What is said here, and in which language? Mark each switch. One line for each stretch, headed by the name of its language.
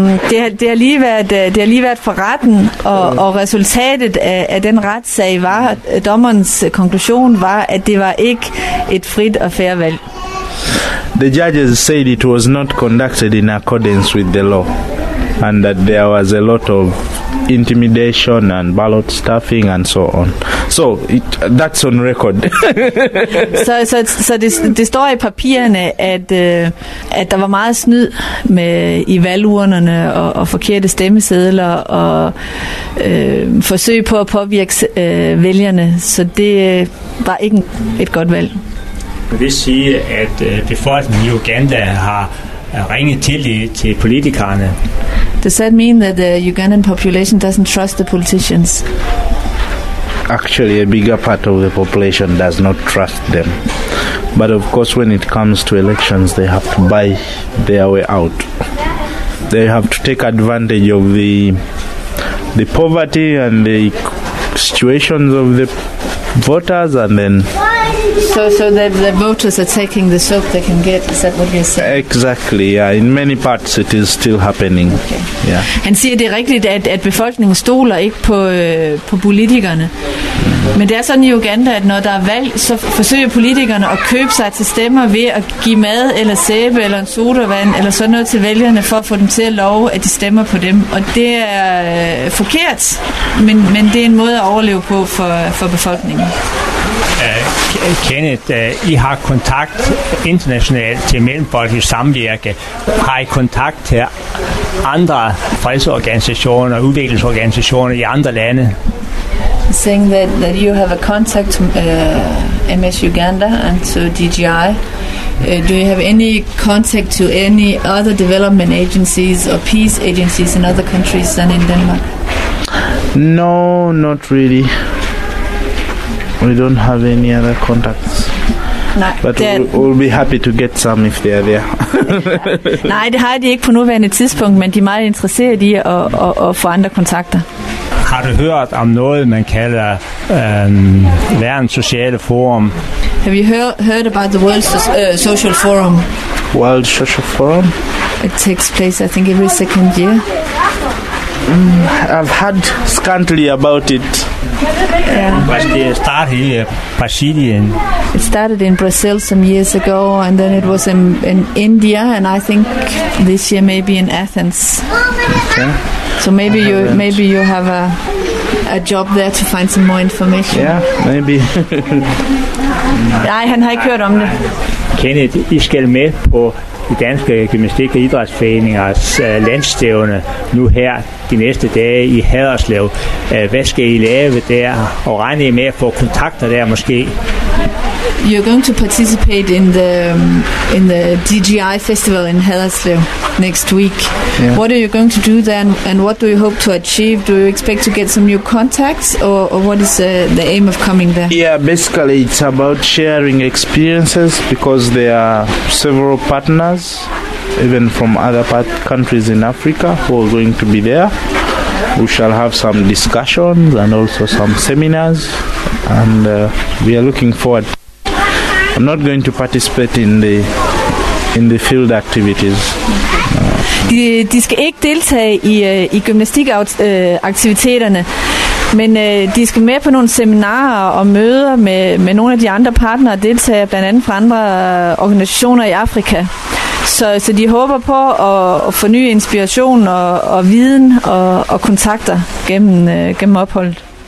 Danish: det har lige været for retten, og resultatet af den retssag var, dommerens konklusion var, at det var ikke et frit og fair valg.
English: The judges said it was not conducted in accordance with the law, and that there was a lot of intimidation and ballot stuffing and so on. So that's on record.
Danish: Så det står i papirerne, at der var meget snyd med i valgurnerne og forkerte stemmesedler og forsøg på at påvirke vælgerne. Så det var ikke et godt valg. Jeg vil sige, at befolkningen i Uganda har ringet tillid til politikerne.
English: Does that mean that the Ugandan population doesn't trust the politicians? Actually, a bigger part of the population does not trust them. But of course, when it comes to elections, they have to buy their way out. They have to take advantage of the poverty and the situations of the voters, and then. So the voters are taking the soap they can get. Is that what you're saying? Exactly. Yeah. In many parts, it is still happening. Okay. Yeah.
Danish: Han siger, det er rigtigt, at befolkningen stoler ikke på politikerne. Men det er sådan i Uganda, at når der er valg, så forsøger politikerne at købe sig til stemmer ved at give mad eller sæbe eller en sodavand eller sådan noget til vælgerne for at få dem til at love, at de stemmer på dem. Og det er forkert, men det er en måde at overleve på for befolkningen. Kenneth, I har kontakt internationalt til mellemfolkeligt samvirke. Har I kontakt til andre fredsorganisationer, udviklingsorganisationer i andre lande?
English: Saying that you have a contact to MS Uganda and to DGI. Do you have any contact to any other development agencies or peace agencies in other countries than in Denmark? No, not really. We don't have any other contacts. But we'll be happy to get some if they are there.
Danish: Nej, det har de ikke på nuværende tidspunkt, men de er meget interesserede i at få andre kontakter. Har du hørt om noget, man kalder verdens sociale forum?
English: Have you heard about the World Social Forum? World Social Forum? It takes place, I think, every second year. I've heard scantily about it. Yeah. But it started in Brazilian. It started in Brazil some years ago, and then it was in India, and I think this year maybe in Athens. Okay. So maybe you have a job there to find some more information. Yeah, maybe.
Danish: Nej, han har ikke hørt om det. Kenneth, I skal med på de danske gymnastik- og idrætsforeningers landsstævne nu her de næste dage i Haderslev. Hvad skal I lave der? Og regne med at få kontakter der måske?
English: You're going to participate in the DGI festival in Haderslev next week. Yeah. What are you going to do then, and what do you hope to achieve? Do you expect to get some new contacts, or what is the aim of coming there? Yeah, basically it's about sharing experiences, because there are several partners even from other part countries in Africa who are going to be there. We shall have some discussions and also some seminars, and we are looking forward. I'm not going to participate in the field activities.
Danish: De skal ikke deltage i gymnastikaktiviteterne, men de skal med på nogle seminarer og møder med nogle af de andre partnere, deltager blandt andet fra andre organisationer i Afrika. Så de håber på at få ny inspiration og viden og kontakter gennem opholdet.